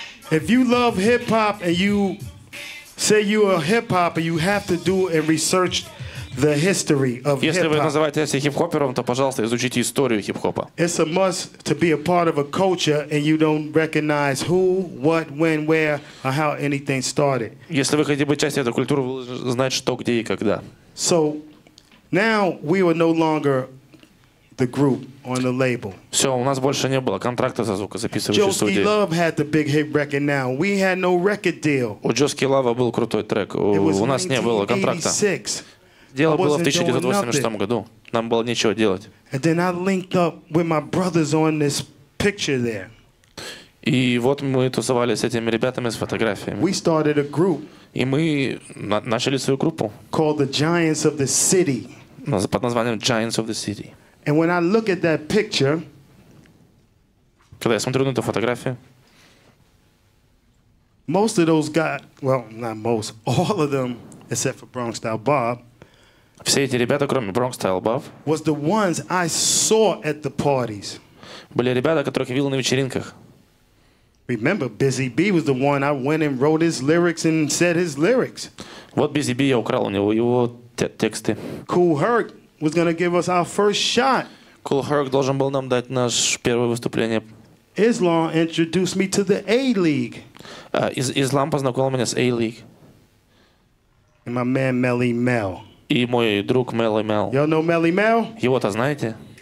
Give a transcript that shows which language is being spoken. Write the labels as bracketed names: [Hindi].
[English] If you love hip-hop and you say you are hip-hop, you have to do and research the history of hip-hop. [Russian] Если вы называете себя хип-хопером, то, пожалуйста, изучите историю хип-хопа. [English] It's a must to be a part of a culture and you don't recognize who, what, when, where, or how anything started. [Russian] Если вы хотите быть частью этой культуры, вы должны знать, что, где и когда. [English] So now we are no longer the group on the label. [Russian] Все, у нас больше не было контракта со звукозаписывающей студией. [English] Josky Love had the big hit record now. We had no record deal. [Russian] У Josky Love был крутой трек. У нас не было контракта. Дело было в 1986 году. Нам было нечего делать. [English] And then I linked up with my brothers on this picture there. [Russian] И вот мы тусовались с этими ребятами с фотографиями. [English] We started a group. [Russian] И мы начали свою группу. [English] Called the Giants of the City. [Russian] Под названием Giants of the City. [English] And when I look at that picture, [Russian] когда я смотрю на эту фотографию, [English] most of those guys, well, not most, all of them, except for Bronx Style Bob, [Russian] все эти ребята, кроме Bronx Style Bob, [English] was the ones I saw at the parties. [Russian] Были ребята, которых я видел на вечеринках. [English] Remember, Busy B was the one I went and wrote his lyrics and said his lyrics. [Russian] Вот Busy B я украл у него его тексты. [English] Kool Herc was gonna give us our first shot. [Russian] Kool Herc должен был нам дать наш первое выступление. [English] Islam introduced me to the A League. [Russian] Ислам познакомил меня с A League. [English] And my man Melly Mel. [Russian] И мой друг Melly Mel. [English] Y'all know Melly Mel? [Russian] Его-то знаете?